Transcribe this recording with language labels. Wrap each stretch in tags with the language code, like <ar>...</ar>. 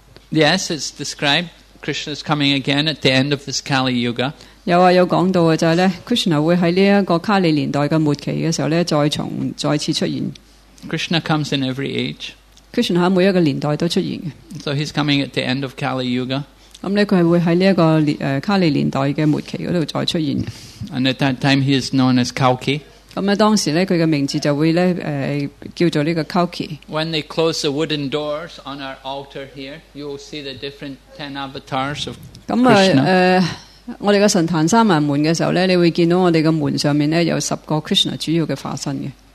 <en>Yes, it's described. Krishna is coming again at the end of this Kali Yuga.</en> <yue>有讲到嘅就系咧 ，Krishna 会喺呢一个卡利年代嘅末期嘅时候咧，再次出现。</yue> <en>Krishna comes in every age.</en> <yue>Krishna 喺每一个年代都出现嘅。</yue> <en>So he's coming at the end of Kali Yuga.</en> <yue>咁咧，佢系会喺呢一个卡利年代嘅末期嗰度再出现。</yue> <en>And at that time he is known as Kalki.</en> <yue>咁咧，当时咧佢嘅名字就会咧叫做呢个 Kalki.</yue> <en>When they close the wooden doors on our altar here, you will see the different 10 avatars of Krishna.</en> <yue>我哋嘅神坛闩埋门嘅时候咧，你会见到我哋嘅门上面咧有十个 Krishna 主要嘅化身嘅。</yue>